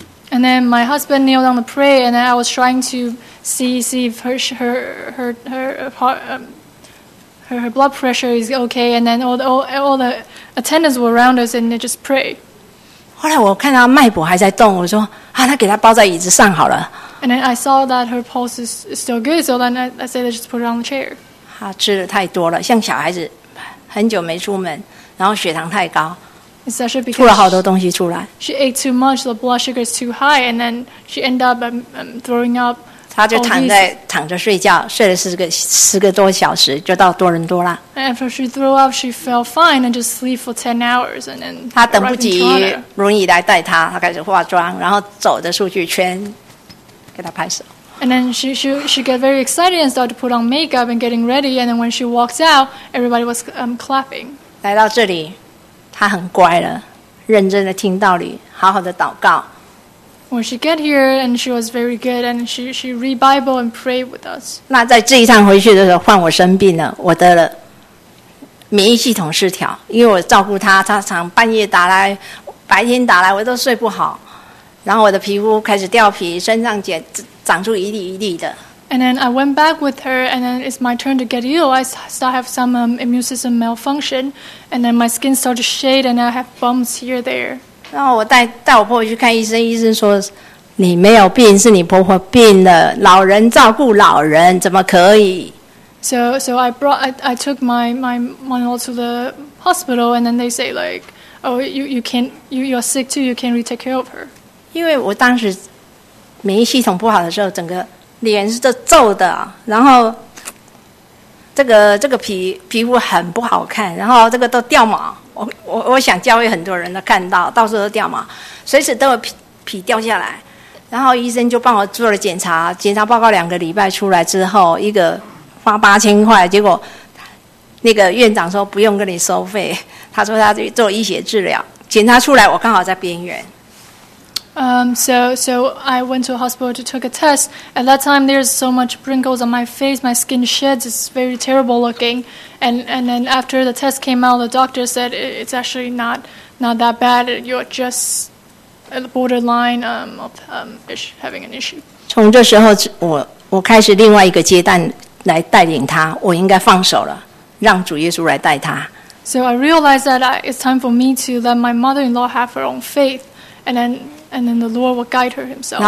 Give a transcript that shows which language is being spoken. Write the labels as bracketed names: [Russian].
[English] And then my husband kneeled on the prayer, and then I was trying to see if her blood pressure is okay. And then all the attendants were around us, and they just pray. [Chinese] 后来我看到脉搏还在动，我说啊，那给她抱在椅子上好了。 [English] And then I saw that her pulse is still good, so then I said, let's just put her on the chair. [Chinese] 她吃的太多了，像小孩子，很久没出门，然后血糖太高。吐了好多东西出来。 [English] She ate too much, the blood sugar is too high, and then she ended up throwing up. [Chinese] 她就躺着睡觉，睡了十个多小时，就到多伦多了。 [English] And after she threw up, she felt fine and just sleep for 10 hours, and then. [Chinese] 她等不及轮椅来带她，她开始化妆，然后走着出去圈，给她拍手。 [English] And then she got very excited and started to put on makeup and getting ready, and then when she walked out, everybody was clapping. [Chinese] 来到这里。他很乖了，认真的听道理，好好的祷告。 [English] When she got here, and she was very good, and she read Bible and pray with us. [Chinese] 那在这一趟回去的时候，换我生病了，我得了免疫系统失调，因为我照顾她，她常半夜打来，白天打来，我都睡不好。然后我的皮肤开始掉皮，身上长出一粒一粒的。 [English] And then I went back with her, and then it's my turn to get ill. I still have some immune system malfunction, and then my skin started to shed, and I have bumps here there. [Chinese] 然后我带我婆婆去看医生，医生说你没有病，是你婆婆病了。老人照顾老人，怎么可以 [English] ？So I brought I took my mother to the hospital, and then they say like, oh, you're sick too. You can't really take care of her. [Chinese] 因为我当时免疫系统不好的时候，整个脸是皱的，然后这个皮肤很不好看，然后这个都掉毛。我想教会很多人都看到，到处都掉毛，随时都有皮掉下来。然后医生就帮我做了检查，检查报告两个礼拜出来之后，一个花8000块，结果那个院长说不用跟你收费，他说他做医学治疗，检查出来我刚好在边缘。 [English] So I went to a hospital to take a test. At that time, there's so much wrinkles on my face. My skin sheds. It's very terrible looking. And then after the test came out, the doctor said it's actually not that bad. You're just at the borderline having an issue. [Chinese] 从这时候，我开始另外一个阶段来带领他。我应该放手了，让主耶稣来带他。 [English] So I realized that it's time for me to let my mother-in-law have her own faith, and then the Lord will guide her himself.